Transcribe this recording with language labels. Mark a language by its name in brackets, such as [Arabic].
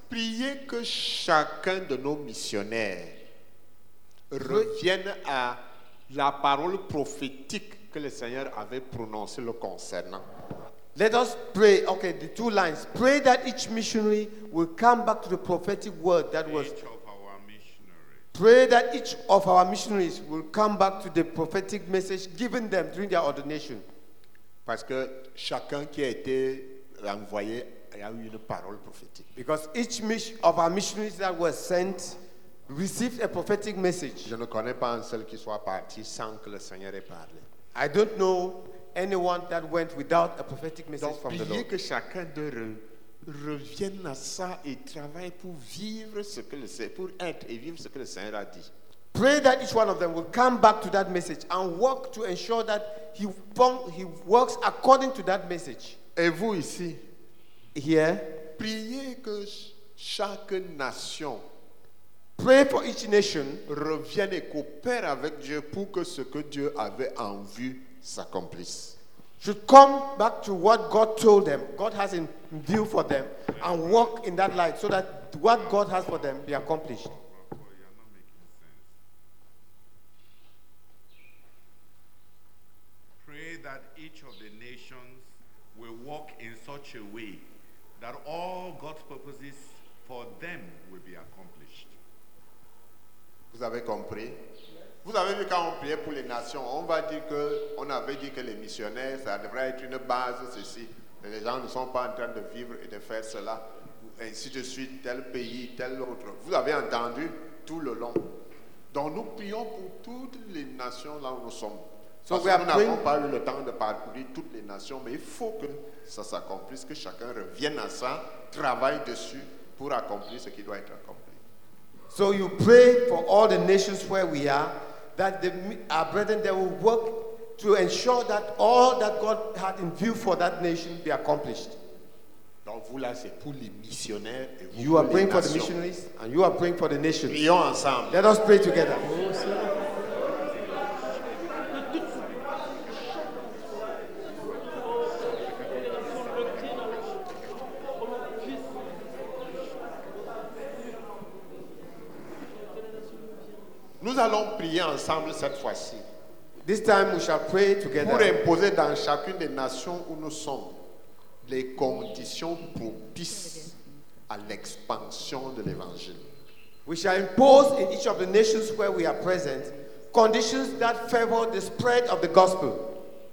[French] priez que chacun de nos missionnaires reviennent à la parole prophétique que le Seigneur avait prononcée le concernant. [English] Let us pray. Okay, the two lines. Pray that each missionary will come back to the prophetic word that each was. Each of our missionaries. Pray that each of our missionaries will come back to the prophetic message given them during their ordination. [French] Parce que chacun qui a été envoyé a eu une parole prophétique. [English] Because each of our missionaries that were sent received a prophetic message. [French] Je ne connais pas un seul qui soit parti sans que le Seigneur ait parlé. [English] I don't know anyone that went without a prophetic message. [French] Donc, [English] from the Lord. [French] Priez que chacun d'eux revienne à ça et travaille pour vivre ce que le Seigneur, pour être et vivre ce que le Seigneur a dit. [English] Pray that each one of them will come back to that message and work to ensure that he works according to that message. [French] Et vous ici, [English] here, [French] priez que chaque nation, [English] pray for each nation, [French] revienne et coopère avec Dieu pour que ce que Dieu avait en vue s'accomplisse. [English] should come back to what God told them, God has in view for them, and walk in that light so that what God has for them be accomplished. Pray that each of the nations will walk in such a way that all God's purposes for them will be accomplished. [French] Vous avez compris? Vous avez vu quand on priait pour les nations, on va dire que, on avait dit que les missionnaires, ça devrait être une base, ceci. Mais les gens ne sont pas en train de vivre et de faire cela, ainsi de suite, tel pays, tel autre. Vous avez entendu tout le long. Donc nous prions pour toutes les nations là où nous sommes. Parce que nous n'avons pas eu le temps de parcourir toutes les nations, mais il faut que ça s'accomplisse, que chacun revienne à ça, travaille dessus pour accomplir ce qui doit être accompli. [English] So you pray for all the nations where we are, that the, our brethren there will work to ensure that all that God had in view for that nation be accomplished. [French] Donc vous là, c'est pour les missionnaires et vous [English] you are praying nations. For the missionaries and you are praying for the nations. [French] Prions ensemble. [English] Let us pray together. [French] Nous allons prier ensemble cette fois-ci. [English] This time we shall pray together. [French] Pour imposer dans chacune des nations où nous sommes les conditions propices à l'expansion de l'évangile. [English] We shall impose in each of the nations where we are present conditions that favor the spread of the gospel.